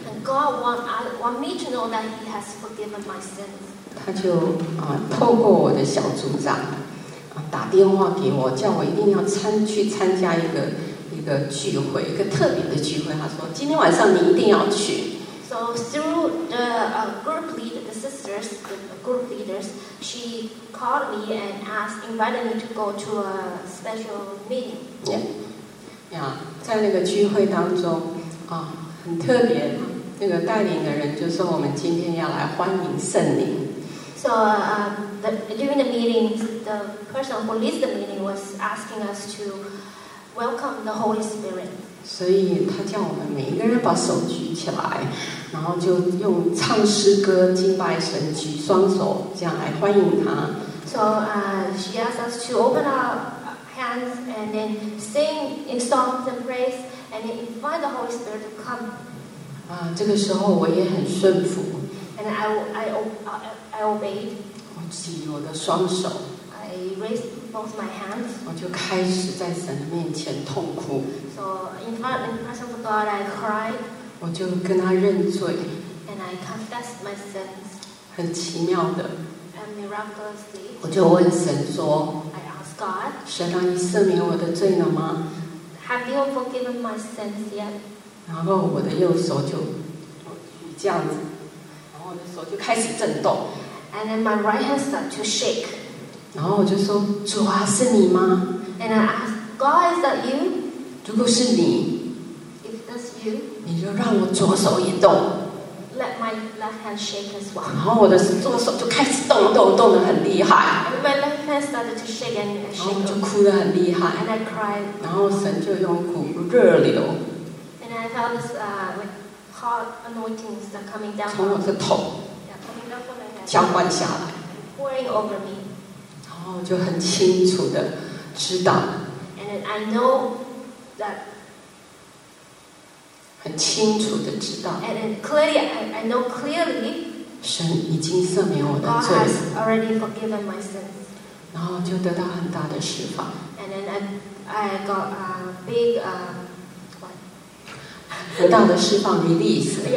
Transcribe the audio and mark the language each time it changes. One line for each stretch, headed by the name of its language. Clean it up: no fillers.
English: God want me to know that He has forgiven my sins.
Chinese: 他就啊，透过我的小组长啊，打电话给我，叫我一定要参加一个聚会，一个特别的聚会。他说，今天晚上你一定要去。
English: So through the group lead, the sisters, the group leaders, she called me and invited me to go to a special meeting.
Chinese: Yeah, 在那个聚会当中啊，很特别。那个带领的人就说我们今天要来欢迎圣灵。
English: So during the meeting, the person who leads the meeting was asking us to welcome the Holy Spirit.
Chinese: 所以他叫我们每一个人把手举起来，然后就用唱诗歌敬拜神，举双手这样来欢迎他。
English: So she asked us to open our hands and then sing in songs and praise and invite the Holy Spirit to come.
Chinese: 这个时候我也很顺服。
English: And I obeyed.
Chinese: 我举我的双手。
English: I raised both my hands.
Chinese: 我就开始在神的面前痛哭。
English: So in front of God, I cried.
Chinese: 我就跟他认罪。
English: And I confessed my sins.
Chinese: 很奇妙的。
English: And miraculously.
Chinese: 我就问神说。
English: I asked God.
Chinese: 神啊，你赦免我的罪了吗
English: ？Have you forgiven my sins yet?
Chinese: 然后我的右手就这样子，然后我的手就开始震动。
English: And then my right hand started to shake.
Chinese: 然后我就说：“主啊，是你吗
English: ？”And I asked, God, is that you?
Chinese: 如果是你
English: ，If that's you,
Chinese: 你就让我左手也动。
English: Let my left hand shake as well.
Chinese: 然后我的左手就开始动得很厉害。
English: And my left hand started to shake and shake.
Chinese: 然后就哭得很厉害。
English: And I cried.
Chinese: 然后神就用一股热流。
English: I felt this with hot anointings that coming down.
Chinese: 从我的头，浇灌下来
English: ，pouring over me.
Chinese: 然后就很清楚的知道。
English: And I know that.
Chinese: 很清楚的知道。
English: And clearly, I know clearly.
Chinese: 神已经赦免我的罪。
English: God has already forgiven my sins.
Chinese: 然后就得到很大的释放。
English: And then I got a big.
Chinese: 得到的释放 release。